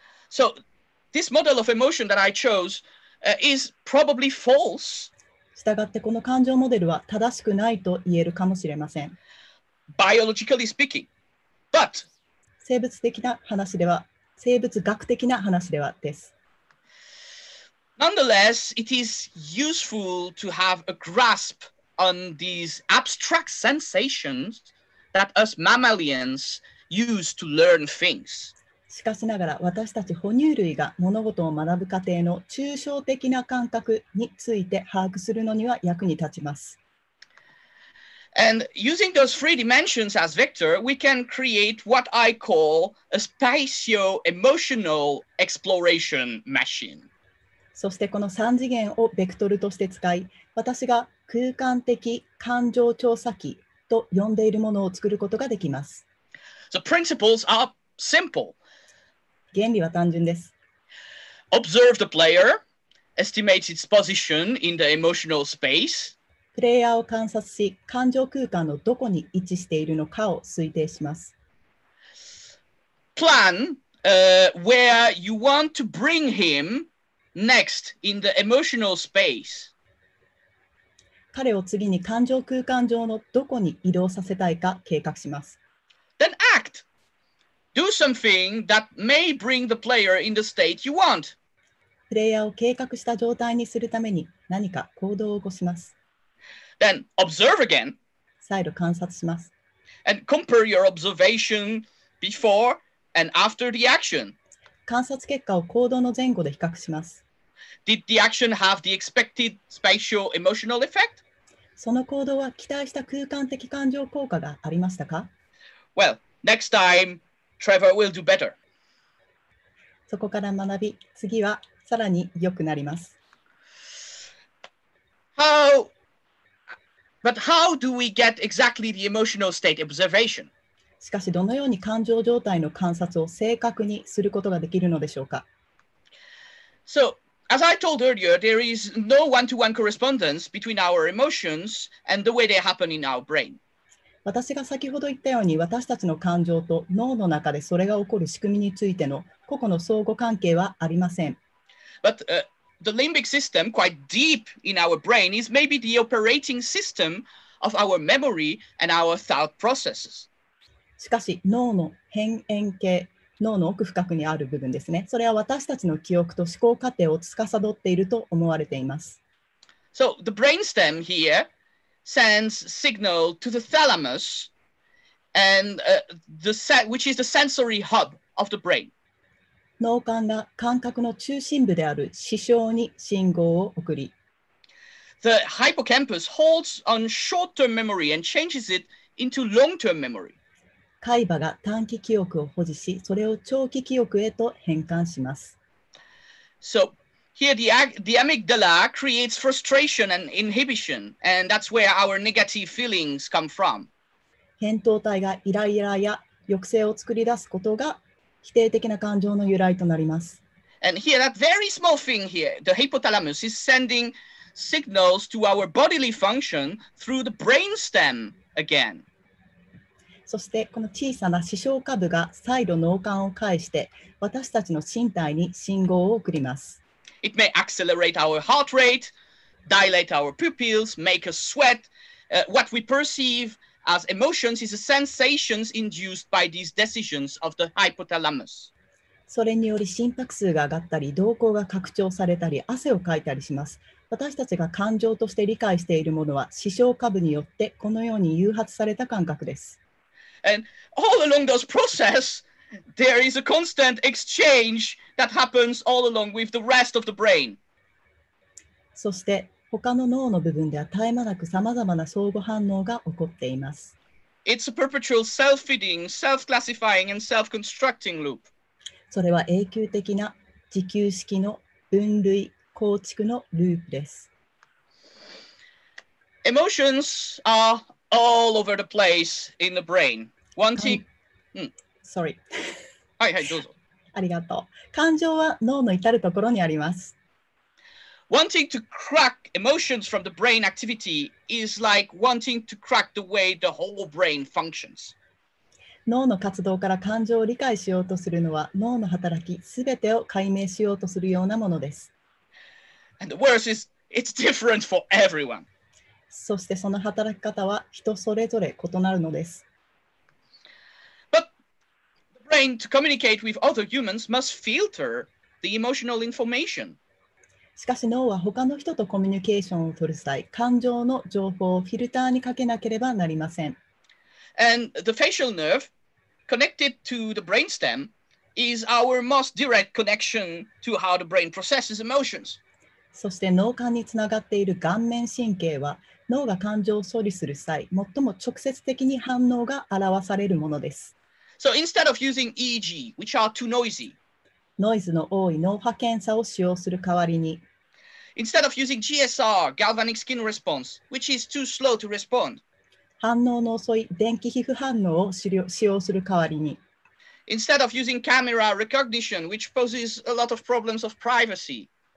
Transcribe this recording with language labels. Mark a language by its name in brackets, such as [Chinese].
[English] So, this model of emotion that I chose, is probably false. [Japanese] したがって、この感情モデルは正しくないと言えるかもしれません。 [English] Biologically speaking, but... [Japanese] 生物的な話では、生物学的な話ではです。 [English] Nonetheless, it is useful to have a grasp on these abstract sensations that us mammalians use to learn things. [Japanese] しかしながら、私たち哺乳類が物事を学ぶ過程の抽象的な感覚について把握するのには役に立ちます。 [English] And using those three dimensions as vector, we can create what I call a spatio-emotional exploration machine. [Japanese] そしてこの3次元をベクトルとして使い、私が空間的感情調査機と呼んでいるものを作ることができます。 [English] The principles are simple. [Japanese] 原理は単純です。 [English] Observe the player, estimate its position in the emotional space. [Japanese] プレイヤーを観察し、感情空間のどこに位置しているのかを推定します。 [English] Plan, where you want to bring him. Next, in the emotional space. [Japanese] 彼を次に感情空間上のどこに移動させたいか計画します。 [English] Then act. Do something that may bring the player in the state you want. [Japanese] プレイヤーを計画した状態にするために何か行動を起こします。 [English] Then observe again. [Japanese] 再度観察します。 [English] And compare your observation before and after the action. [Japanese] 観察結果を行動の前後で比較します。 [English] Did the action have the expected spatial emotional effect? [Japanese] その行動は期待した空間的感情効果がありましたか? [English] Well, next time, Trevor will do better. [Japanese] そこから学び、次はさらに良くなります。 [English] But how do we get exactly the emotional state observation? [Japanese] しかしどのように感情状態の観察を正確にすることができるのでしょうか? [English] So, as I told earlier, there is no one-to-one correspondence between our emotions and the way they happen in our brain. [Japanese] 私が先ほど言ったように、私たちの感情と脳の中でそれが起こる仕組みについての個々の相互関係はありません。 [English] But, the limbic system, quite deep in our brain, is maybe the operating system of our memory and our thought processes. [Japanese] しかし脳の辺縁系、脳の奥深くにある部分ですね。それは私たちの記憶と思考過程を司っていると思われています。 [English] So, the brainstem here sends signal to the thalamus, and, which is the sensory hub of the brain. [Japanese] 脳幹が感覚の中心部である視床に信号を送り。 [English] The hippocampus holds on short-term memory and changes it into long-term memory. [Japanese] 海馬が短期記憶を保持し、それを長期記憶へと変換します。 [English] So, here the amygdala creates frustration and inhibition, and that's where our negative feelings come from. [Japanese] 扁桃体がイライラや抑制を作り出すことが否定的な感情の由来となります。 [English] And here, that very small thing here, the hypothalamus is sending signals to our bodily function through the brainstem again. [Japanese] そしてこの小さな視床下部が再度脳幹を介して私たちの身体に信号を送ります。 [English] It may accelerate our heart rate, dilate our pupils, make us sweat. What we perceive as emotions is the sensations induced by these decisions of the hypothalamus. [Japanese] それにより心拍数が上がったり、瞳孔が拡張されたり、汗をかいたりします。私たちが感情として理解しているものは、視床下部によってこのように誘発された感覚です。 [English] And all along those process, there is a constant exchange that happens all along with the rest of the brain. [Japanese] そして、他の脳の部分では絶え間なく様々な相互反応が起こっています。 [English] It's a perpetual self-feeding, self-classifying, and self-constructing loop. [Japanese] それは永久的な自給式の分類構築のループです。 [English] Emotions are all over the place in the brain. Wanting. Sorry. [Japanese] はいはい、どうぞ。ありがとう。感情は脳の至るところにあります。 [English] Wanting to crack emotions from the brain activity is like wanting to crack the way the whole brain functions. [Japanese] 脳の活動から感情を理解しようとするのは、脳の働き、すべてを解明しようとするようなものです。 [English] And the worst is, it's different for everyone. [Japanese] そしてその働き方は人それぞれ異なるのです。 [English] But the brain to communicate with other humans must filter the emotional information. [Japanese] しかし脳は他の人とコミュニケーションを取る際、感情の情報をフィルターにかけなければなりません。 [English] And the facial nerve connected to the brainstem is our most direct connection to how the brain processes emotions. [Japanese] そして脳幹につながっている顔面神経は脳が感情を処理する際最も直接的に反応が表されるものです。 [English] So instead of using EEG, which are too noisy, [Japanese] ノイズの多い脳波検査を使用する代わりに [English] instead of using GSR, galvanic skin response, which is too slow to respond, [Japanese] 反応の遅い電気皮膚反応を使用する代わりに [English] Instead of using camera recognition, which poses a lot of problems of privacy,